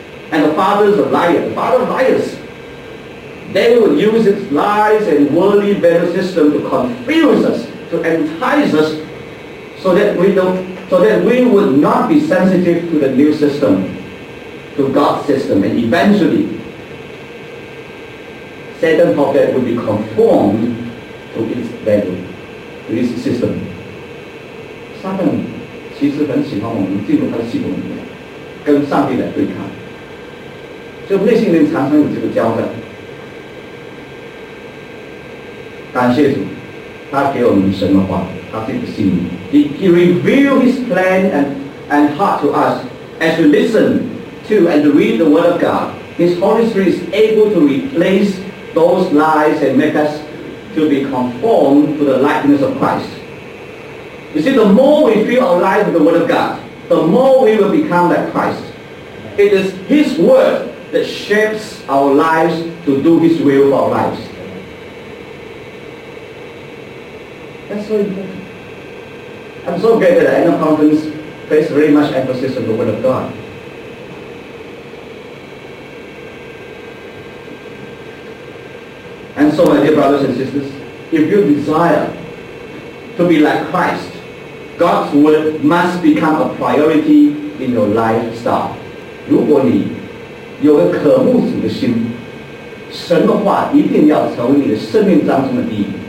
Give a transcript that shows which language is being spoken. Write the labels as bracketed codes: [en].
[en] And the father is a liar. The father of liars. They will use its lies and worldly value system to confuse us, to entice us, so that we would not be sensitive to the new system, to God's system, and eventually, Satan's prophet will be conformed to its value, to its system. [zh] Satan 其实很喜欢我们进入他的系统里面，跟上帝来对抗，所以内心里常常有这个交战。感谢主，他给我们神的话，他自己的心意。 [en] He revealed His plan and heart to us as we listen to and read the Word of God. His Holy Spirit is able to replace those lies and make us to be conformed to the likeness of Christ. You see, the more we fill our lives with the Word of God, the more we will become like Christ. It is His Word that shapes our lives to do His will for our lives. That's so important. I'm so glad that the annual conference placed very much emphasis on the Word of God. And so, my dear brothers and sisters, if you desire to be like Christ, God's Word must become a priority in your lifestyle. [zh] 如果你有个渴慕主的心，神的话一定要成为你的生命当中的第一。